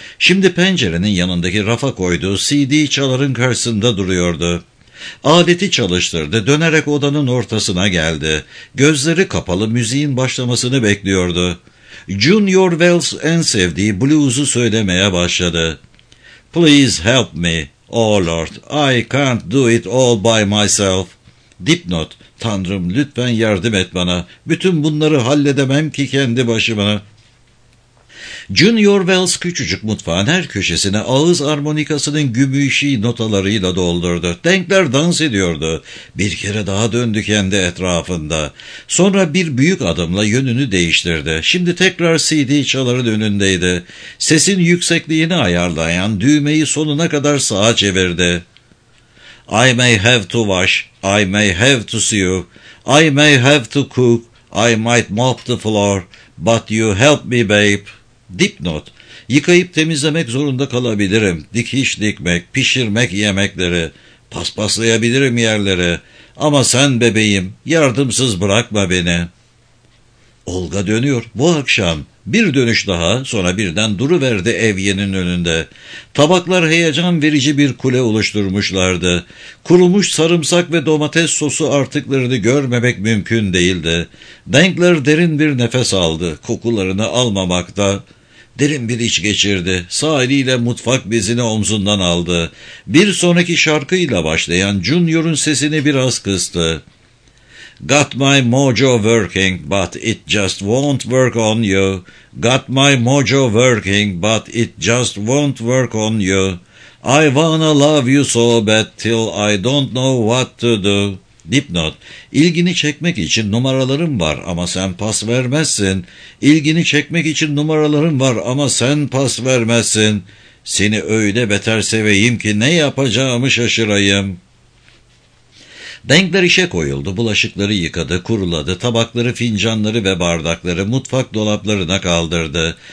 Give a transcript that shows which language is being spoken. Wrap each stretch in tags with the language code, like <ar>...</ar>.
<tr>Şimdi pencerenin yanındaki rafa koyduğu CD çaların karşısında duruyordu. Aleti çalıştırdı, dönerek odanın ortasına geldi. Gözleri kapalı müziğin başlamasını bekliyordu. Junior Wells en sevdiği blues'u söylemeye başladı.</tr> <en>Please help me, Oh Lord, I can't do it all by myself.</en> <tr>Dipnot, Tanrım lütfen yardım et bana. Bütün bunları halledemem ki kendi başıma. Junior Wells küçücük mutfağın her köşesine ağız armonikasının gümüşü notalarıyla doldurdu. Denkler dans ediyordu. Bir kere daha döndü kendi etrafında. Sonra bir büyük adımla yönünü değiştirdi. Şimdi tekrar CD çaların önündeydi. Sesin yüksekliğini ayarlayan düğmeyi sonuna kadar sağa çevirdi.</tr> <en>I may have to wash, I may have to sew, I may have to cook, I might mop the floor, but you help me babe.</en> <tr>Dipnot, yıkayıp temizlemek zorunda kalabilirim. Dikiş dikmek, pişirmek yemekleri, paspaslayabilirim yerleri. Ama sen bebeğim, yardımsız bırakma beni. Olga dönüyor, bu akşam. Bir dönüş daha, sonra birden duruverdi Evye'nin önünde. Tabaklar heyecan verici bir kule oluşturmuşlardı. Kurumuş sarımsak ve domates sosu artıklarını görmemek mümkün değildi. Dankler derin bir nefes aldı, kokularını almamakta. Derin bir iç geçirdi, sağ eliyle mutfak bezini omzundan aldı. Bir sonraki şarkıyla başlayan Junior'un sesini biraz kıstı.</tr> <en>Got my mojo working, but it just won't work on you. Got my mojo working, but it just won't work on you. I wanna love you so bad till I don't know what to do.</en> <tr>Dipnot, ilgini çekmek için numaralarım var ama sen pas vermezsin. İlgini çekmek için numaralarım var ama sen pas vermezsin. Seni öyle beter seveyim ki ne yapacağımı şaşırayım. Dankler işe koyuldu, bulaşıkları yıkadı, kuruladı, tabakları, fincanları ve bardakları mutfak dolaplarına kaldırdı.</tr>